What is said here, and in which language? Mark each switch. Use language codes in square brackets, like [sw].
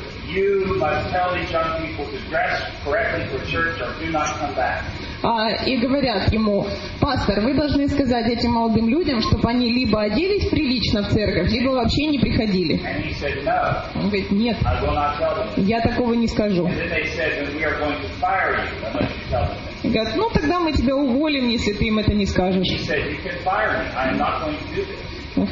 [en] You must tell these young people to dress correctly for church or do not come back. [ru] И говорят ему, пастор, вы должны сказать этим молодым людям, чтобы они либо оделись прилично в церковь, либо вообще не приходили. [en] And he said, no. [ru] Он говорит, нет, [en] I will not tell them. [ru] Я такого не скажу. [en] And then they said, then we are going to fire you unless you tell them. [ru] Говорят, ну тогда мы тебя уволим, если ты им это не скажешь. [en] He said, you can fire me. I am not going to do this.